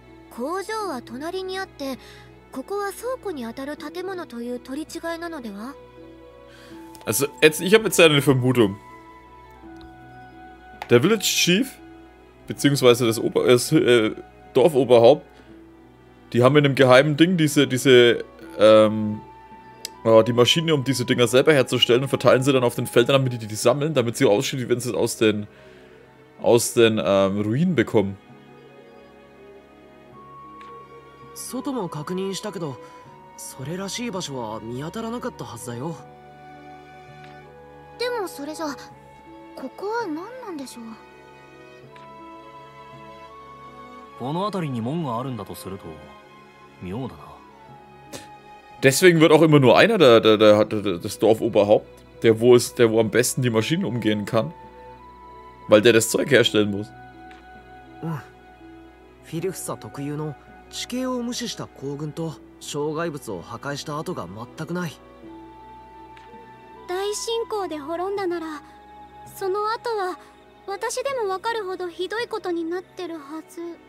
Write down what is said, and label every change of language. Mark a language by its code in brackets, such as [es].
[ja] 工場は隣にあって、ここは倉庫に当たる建物という取り違いなのでは？ [de] Also, jetzt, ich habe jetzt eine Vermutung. Der Village Chief, beziehungsweise das, Ober, das Dorfoberhaupt, die haben in einem geheimen Ding die Maschine, um diese Dinger selber herzustellen und verteilen sie dann auf den Feldern, damit die sammeln, damit sie ausschließen, wenn sie es aus den Ruinen bekommen. [ja] 外も確認したけど、それらしい場所は見当たらなかったはずだよ。でもそれじゃ、ここは何なんでしょう。この辺りに門があるんだとすると、妙だな。 [de] Deswegen wird auch immer nur einer das Dorfoberhaupt, der wo am besten die Maschinen umgehen kann, weil der das Zeug herstellen muss. [ja] フィルフサ特有の地形を無視した行軍と障害物を破壊した跡が全くない。大侵攻で滅んだなら、その後は私でも分かるほどひどいことになってるはず。